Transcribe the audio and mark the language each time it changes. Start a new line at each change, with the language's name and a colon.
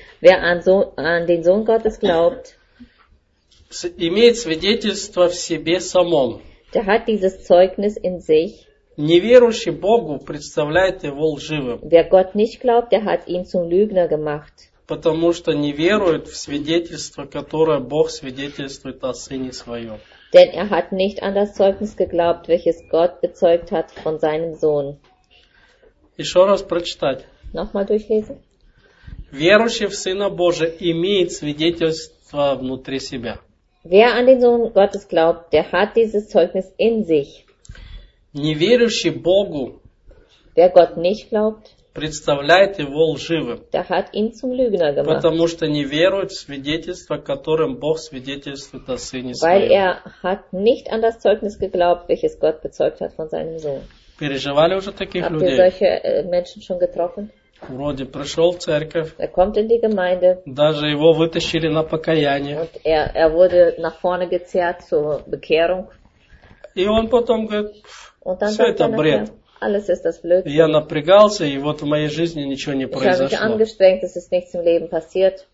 German: Wer an den Sohn Gottes glaubt,
Russian: имеет свидетельство в себе самом.
German: Der hat dieses Zeugnis in sich.
Russian: Неверующий Богу представляет его лживым.
German: Wer Gott nicht glaubt, der hat ihn zum Lügner gemacht.
Russian: Потому что не верует в свидетельство, которое Бог свидетельствует о Сыне Своем.
German: Denn er hat nicht an das Zeugnis geglaubt, welches Gott bezeugt hat von seinem Sohn.
Russian: Еще раз прочитать.
German: Nochmal durchlesen.
Russian: Верующий в Сына Божия имеет свидетельство внутри себя.
German: Wer an den Sohn Gottes glaubt, der hat dieses Zeugnis in sich.
Russian: Неверующий Богу
German: Wer Gott nicht glaubt,
Russian: представляет его лживым,
German: der hat ihn zum Lügner gemacht,
Russian: потому что не верует в свидетельство, которым Бог свидетельствует о Сыне Своем.
German: Weil er hat nicht an das Zeugnis geglaubt, welches Gott bezeugt hat von seinem Sohn.
Russian: Переживали уже таких
German: Habt
Russian: людей?
German: Ihr solche Menschen schon getroffen?
Russian: Вроде пришел в церковь.
German: Er kommt in die Gemeinde,
Russian: даже его вытащили на покаяние.
German: Und er wurde nach vorne gezerrt zur Bekehrung.
Russian: И он потом говорит, все это бред. Я напрягался, и вот в моей жизни ничего не произошло.